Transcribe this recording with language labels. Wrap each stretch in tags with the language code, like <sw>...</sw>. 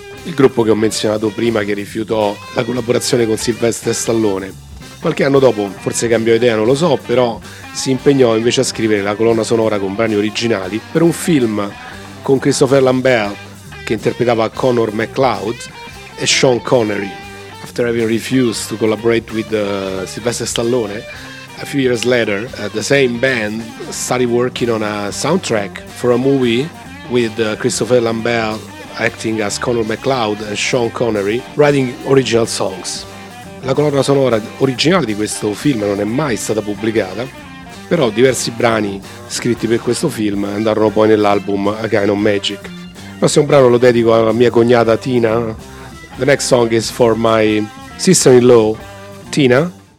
<it>Il gruppo che ho menzionato prima, che rifiutò la collaborazione con Sylvester Stallone, qualche anno dopo, forse cambiò idea, non lo so, però si impegnò invece a scrivere la colonna sonora con brani originali per un film con Christopher Lambert, che interpretava Connor MacLeod, e Sean Connery.</it> <en>After having refused to collaborate with Sylvester Stallone, a few years later, the same band started working on a soundtrack for a movie with Christopher Lambert acting as Connor MacLeod and Sean Connery writing original songs.</en> <it>La colonna sonora originale di questo film non è mai stata pubblicata, però diversi brani scritti per questo film andarono poi nell'album A Kind of Magic. Il prossimo brano lo dedico alla mia cognata Tina.</it> <en>The next song is for my sister-in-law, Tina.</en>